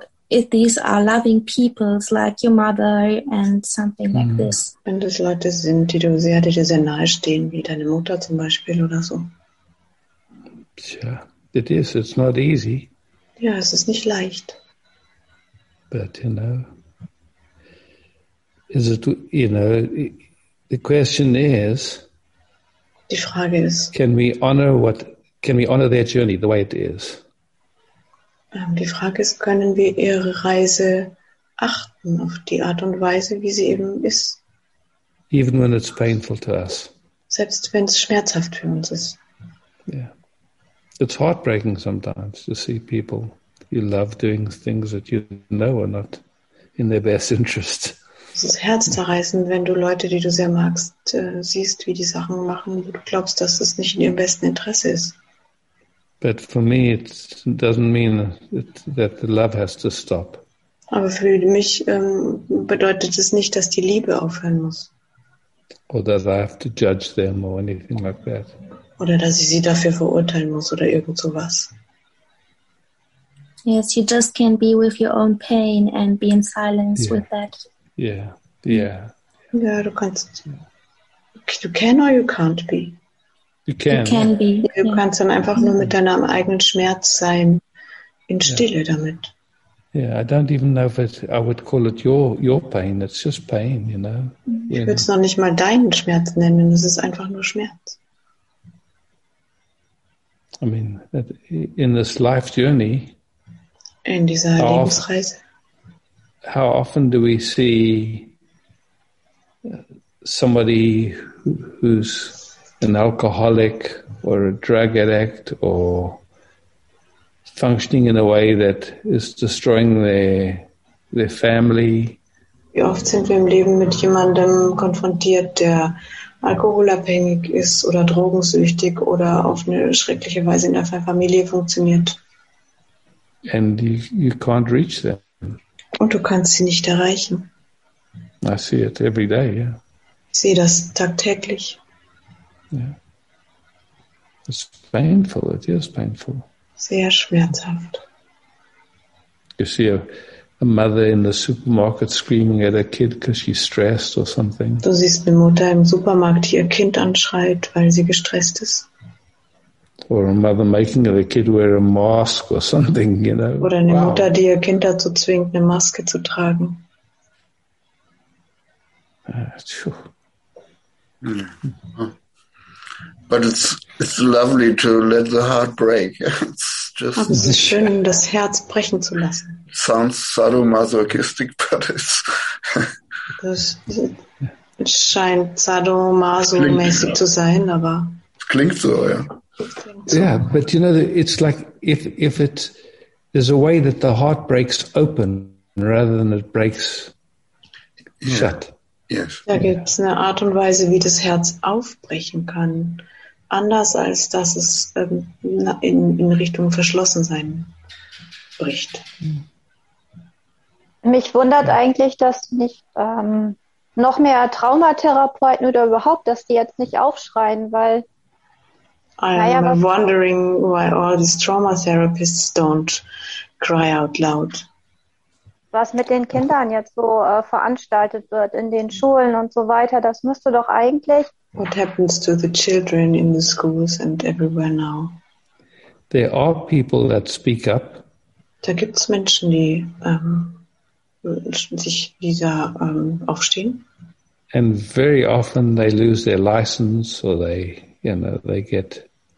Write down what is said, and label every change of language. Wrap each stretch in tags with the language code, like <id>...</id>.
<en>If these are loving peoples like your mother and something like this.</en> <de>Wenn das Leute sind, die du sehr, dir sehr nahe stehen, wie deine Mutter zum Beispiel oder so.</de> <en>Tja, it is, it's not easy.</en> <de>Ja, es ist nicht leicht.</de> <en>But, you know, is it, you know, the question is,</en> <de>die Frage ist,</de> <en>can we honor their journey the way it is?</en> <de>Die Frage ist, können wir ihre Reise achten auf die Art und Weise, wie sie eben ist?</de> <en>Even when it's painful to us.</en> <de>Selbst wenn es schmerzhaft für uns ist.</de> <en>Yeah. It's heartbreaking sometimes to see people you love doing things that you know are not in their best interest.</en> <de>Es ist herzzerreißend, wenn du Leute, die du sehr magst, siehst, wie die Sachen machen, wo du glaubst, dass es nicht in ihrem besten Interesse ist.</de> <en>But for me, it doesn't mean that the love has to stop.</en> <de>Aber für mich bedeutet es nicht, dass die Liebe aufhören muss.</de> <en>Or that I have to judge them or anything like that.</en> <de>Oder dass ich sie dafür verurteilen muss oder irgend sowas.</de> <en>Yes, you just can be with your own pain and be in silence with that. Yeah, yeah.</en> <de>Ja, du kannst.</de> <en>You can or you can't be. You can be.</en> <de>Du kannst dann einfach nur mit deinem eigenen Schmerz sein, in Stille damit.</de> <en>Yeah, I don't even know if I would call it your pain. It's just pain, you know.</en> <de>Ich würde es noch nicht mal deinen Schmerz nennen. Es ist einfach nur Schmerz.</de> <en>I mean, in this life journey.</en> <de>In dieser Lebensreise.</de> <en>How often do we see somebody who's an alcoholic or a drug addict or functioning in a way that is destroying their family?</en> <de>Wie oft sind wir im Leben mit jemandem konfrontiert, der alkoholabhängig ist oder drogensüchtig oder auf eine schreckliche Weise in der Familie funktioniert?</de> <en>And you can't reach them.</en> <de>Und du kannst sie nicht erreichen.</de> <en>I see it every day, yeah.</en> <de>Ich sehe das tagtäglich.</de> <en>Yeah. It's painful, it is painful.</en> <de>Sehr schmerzhaft.</de> <en>You see a mother in the supermarket screaming at her kid because she's stressed or something.</en> <de>Du siehst eine Mutter im Supermarkt, die ihr Kind anschreit, weil sie gestresst ist.</de> <en>Or a mother making her kid wear a mask or something, you know.</en> <de>Oder eine Mutter, die ihr Kind dazu zwingt, eine Maske zu tragen.</de> <en>But it's lovely to let the heart break. It's just.</en> <de>Aber es ist schön, das Herz brechen zu lassen.</de> <en>Sounds sadomasochistic, but it's.</en> <de>Das scheint sadomaso-mäßig zu sein, aber. Es klingt so, ja.</de> <en>Yeah, but you know, it's like if it there's a way that the heart breaks open rather than it breaks shut. Yes.</en> <de>Da gibt es eine Art und Weise, wie das Herz aufbrechen kann, anders als dass es in Richtung Verschlossensein bricht. Mich wundert eigentlich, dass nicht noch mehr Traumatherapeuten oder überhaupt, dass die jetzt nicht aufschreien, weil</de> <en>Wondering why all these trauma therapists don't cry out loud.</en> <de>Was mit den Kindern jetzt so veranstaltet wird in den Schulen und so weiter, das müsste doch eigentlich.</de> <en>What happens to the children in the schools and everywhere now? There are people that speak up.</en> <de>Da gibt's Menschen, die sich dieser aufstehen.</de> <en>And very often they lose their license or they, you know, they get.</en>